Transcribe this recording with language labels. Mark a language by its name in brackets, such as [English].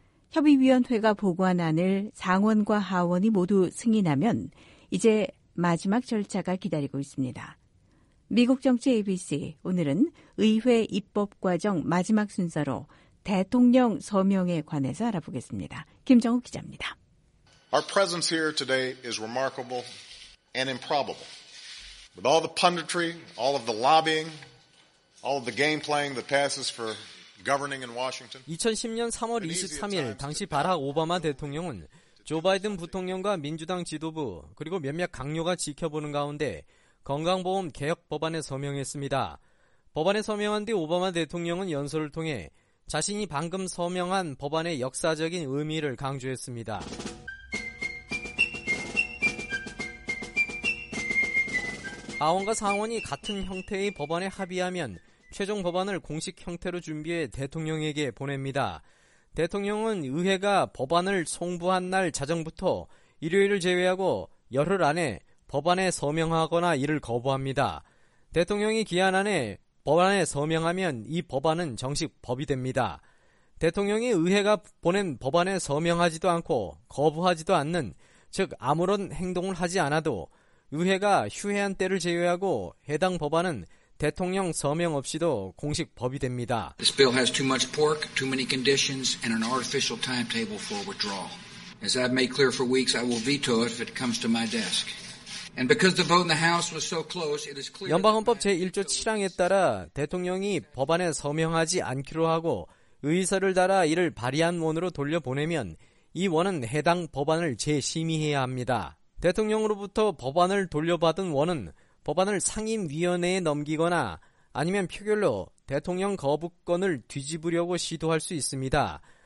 [Korean] 협의위원회가 보고한 안을 상원과 하원이 모두 승인하면 이제 마지막 절차가 기다리고 있습니다. 미국 정치 ABC 오늘은 의회 입법과정 마지막 순서로 대통령 서명에 관해서 알아보겠습니다. 김정욱 기자입니다. [English] Our presence here today is remarkable and improbable. With all the punditry, all of the lobbying, all of the game playing that passes for governing in Washington. [Korean] 2010년 3월 23일 당시 바락 오바마 대통령은 조 바이든 부통령과 민주당 지도부 그리고 몇몇 강요가 지켜보는 가운데 건강보험 개혁 법안에 서명했습니다. 법안에 서명한 뒤 오바마 대통령은 연설을 통해 자신이 방금 서명한 법안의 역사적인 의미를 강조했습니다. 하원과 상원이 같은 형태의 법안에 합의하면 최종 법안을 공식 형태로 준비해 대통령에게 보냅니다. 대통령은 의회가 법안을 송부한 날 자정부터 일요일을 제외하고 열흘 안에 법안에 서명하거나 이를 거부합니다. 대통령이 기한 안에 법안에 서명하면 이 법안은 정식 법이 됩니다. 대통령이 의회가 보낸 법안에 서명하지도 않고 거부하지도 않는, 즉 아무런 행동을 하지 않아도 의회가 휴회한 때를 제외하고 해당 법안은 대통령 서명 없이도 공식 법이 됩니다. [English] This bill has too much pork, too many conditions, and an artificial timetable for withdrawal. As I've made clear for weeks, I will veto it if it comes to my desk. And because the vote in the House was so close, it is clear. [Korean] 연방헌법 제1조 7항에 따라 대통령이 법안에 서명하지 않기로 하고 의서를 달아 이를 발의한 원으로 돌려보내면 이 원은 해당 법안을 재심의해야 합니다. 대통령으로부터 법안을 돌려받은 원은 법안을 상임위원회에 넘기거나 아니면 표결로 대통령 거부권을 뒤집으려고 시도할 수 있습니다.